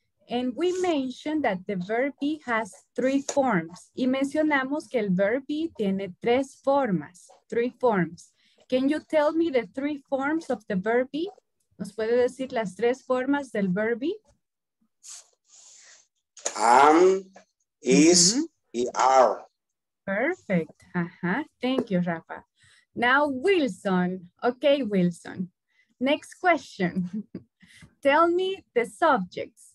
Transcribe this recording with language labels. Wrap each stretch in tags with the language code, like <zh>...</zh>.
<en>And we mentioned that the verb has three forms.</en> <es>Y mencionamos que el verb tiene tres formas.</es> <en>Three forms. Can you tell me the three forms of the verb?</en> <es>¿Nos puede decir las tres formas del verb?</es> <en>Is, y are. Perfect. Thank you, Rafa. Now, Wilson. Okay, Wilson. Next question. Tell me the subjects.</en>